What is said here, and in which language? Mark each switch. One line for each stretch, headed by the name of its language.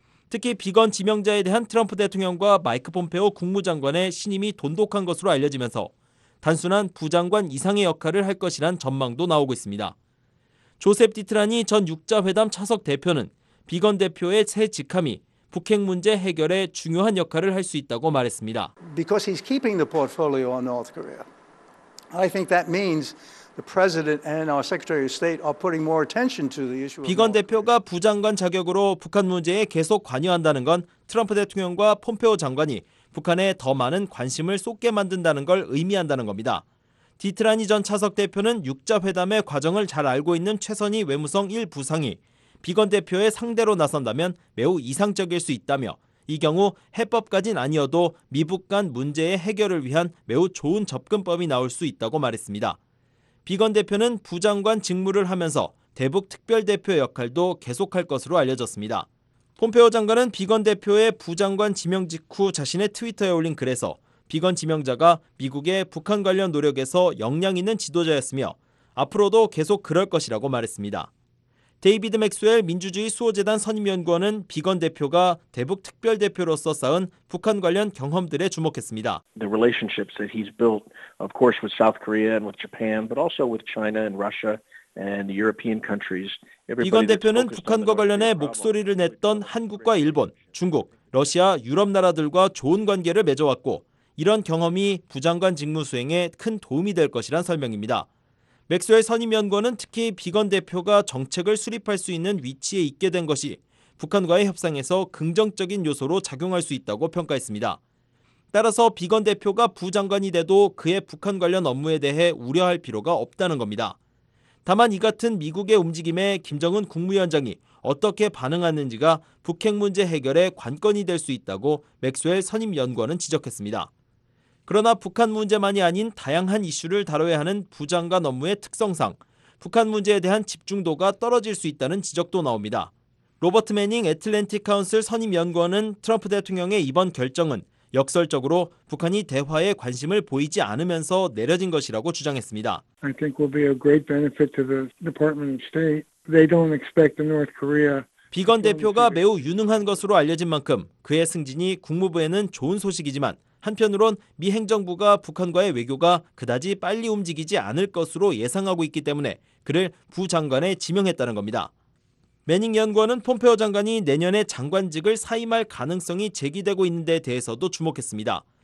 Korean: 특히 비건 지명자에 대한 트럼프 대통령과 마이크 폼페오 국무장관의 신임이 돈독한 것으로 알려지면서 단순한 부장관 이상의 역할을 할 것이란 전망도 나오고 있습니다. 조셉 디트라니 전 6자회담 차석 대표는 비건 대표의 새 직함이 북핵 문제 해결에 중요한 역할을 할 수 있다고 말했습니다.
English: Because he's keeping the portfolio on North Korea. I think that means the president and our secretary of state are putting more attention to the issue.
Korean: 비건 대표가 부장관 자격으로 북한 문제에 계속 관여한다는 건 트럼프 대통령과 폼페오 장관이 북한에 더 많은 관심을 쏟게 만든다는 걸 의미한다는 겁니다. 디트라니 전 차석 대표는 6자회담의 과정을 잘 알고 있는 최선희 외무성 1부상이 비건 대표의 상대로 나선다면 매우 이상적일 수 있다며 이 경우 해법까진 아니어도 미북 간 문제의 해결을 위한 매우 좋은 접근법이 나올 수 있다고 말했습니다. 비건 대표는 부장관 직무를 하면서 대북 특별대표 역할도 계속할 것으로 알려졌습니다. 폼페오 장관은 비건 대표의 부장관 지명 직후 자신의 트위터에 올린 글에서 비건 지명자가 미국의 북한 관련 노력에서 역량 있는 지도자였으며 앞으로도 계속 그럴 것이라고 말했습니다. 데이비드 맥스웰 민주주의 수호재단 선임연구원은 비건 대표가 대북 특별대표로서 쌓은 북한 관련 경험들에 주목했습니다.
English: The relationships that he's built, of course, with South Korea and with Japan, but also with China and Russia and the European countries.
Korean: 비건 대표는 북한과 관련해 목소리를 냈던 한국과 일본, 중국, 러시아, 유럽 나라들과 좋은 관계를 맺어왔고 이런 경험이 부장관 직무 수행에 큰 도움이 될 것이란 설명입니다. 맥스웰 선임연구원은 특히 비건 대표가 정책을 수립할 수 있는 위치에 있게 된 것이 북한과의 협상에서 긍정적인 요소로 작용할 수 있다고 평가했습니다. 따라서 비건 대표가 부장관이 돼도 그의 북한 관련 업무에 대해 우려할 필요가 없다는 겁니다. 다만 이 같은 미국의 움직임에 김정은 국무위원장이 어떻게 반응하는지가 북핵 문제 해결의 관건이 될 수 있다고 맥스웰 선임연구원은 지적했습니다. 그러나 북한 문제만이 아닌 다양한 이슈를 다뤄야 하는 부장관 업무의 특성상 북한 문제에 대한 집중도가 떨어질 수 있다는 지적도 나옵니다. 로버트 매닝 애틀랜틱 카운슬 선임연구원은 트럼프 대통령의 이번 결정은 역설적으로 북한이 대화에 관심을 보이지 않으면서 내려진 것이라고 주장했습니다.
English: I think will be a great benefit to the Department of State. They don't expect the North Korea.
Korean: 비건 대표가 매우 유능한 것으로 알려진 만큼 그의 승진이 국무부에는 좋은 소식이지만 한편으론 미 행정부가 북한과의 외교가 그다지 빨리 움직이지 않을 것으로 예상하고 있기 때문에 그를 부장관에 지명했다는 겁니다. 매닝 연구원은 폼페오 장관이 내년에 장관직을 사임할 가능성이 제기되고 있는 데 대해서도 주목했습니다.